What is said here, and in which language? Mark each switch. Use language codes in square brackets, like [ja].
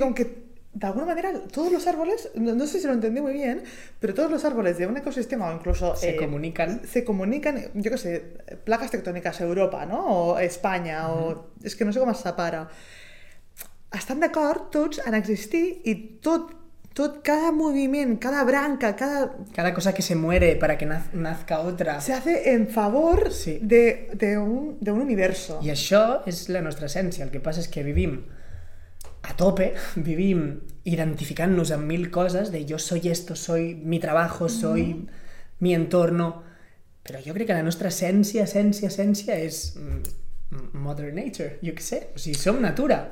[ca] com que d'alguna manera, tots els [es] árboles, no sé si lo entendí muy bien, [ca] però tots els [es] árboles [ca] d'un ecosistema, [es] o incluso... Se comunican, [ca] jo què sé, plaques tectòniques a Europa, no? O Espanya, uh-huh. O... És que no sé com es separa. Estan d'acord tots en existir i tot, cada moviment, cada branca, [es] cada cosa que se muere para que nazca otra... Se hace en favor, sí. de un universo. [ca] I això és la nostra essència. El que passa és que vivim a tope, vivim identificant-nos amb mil coses, de jo [es] soy esto, soy mi trabajo, soy mi entorno, [ca] però jo crec que la nostra essència és [en] Mother Nature, [ca] jo què sé, o sigui, som natura.